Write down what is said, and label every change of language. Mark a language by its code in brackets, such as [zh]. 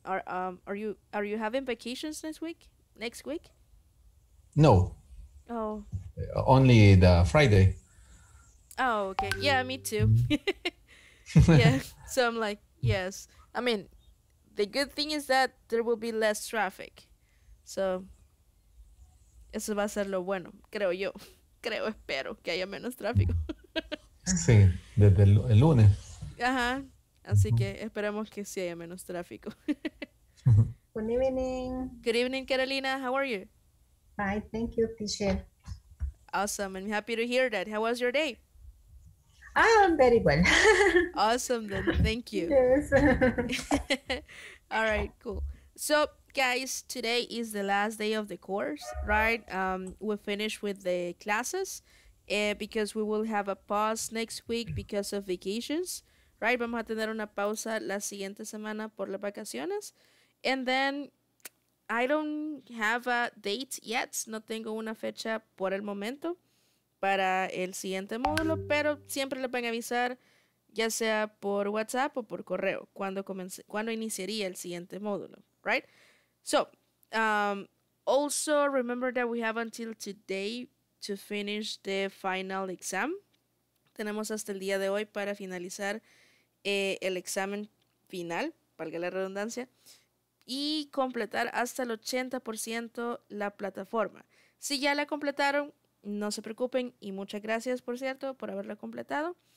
[en] Are you having vacations next week? Next week? No. Oh. Only the Friday. Oh, okay. Yeah, me too. Yeah. So I'm like, yes. I mean, the good thing is that there will be less traffic. [es] So, eso va a ser lo bueno, creo yo. Creo, espero que haya menos tráfico. Sí, desde el lunes. Ajá, así que esperemos que sí haya menos tráfico. [en] Good evening. Good evening, Carolina. How are you? Fine, thank you, teacher. Awesome, I'm happy to hear that. How was your day? I'm very well. Awesome, then. Thank you. Yes. All right, cool. So, guys, today is the last day of the course, right? We finished with the classes because we will have a pause next week because of vacations, right? [es] Vamos a tener una pausa la siguiente semana por las vacaciones. [en] And then I don't have a date yet. [es] No tengo una fecha por el momento para el siguiente módulo, pero siempre les van a avisar ya sea por WhatsApp o por correo cuando iniciaría el siguiente módulo, right? [en] So, also remember that we have until today to finish the final exam. [es] Tenemos hasta el día de hoy para finalizar el examen final, valga la redundancia, y completar hasta el 80% la plataforma. Si ya la completaron, no se preocupen, y muchas gracias, por cierto, por haberla completado.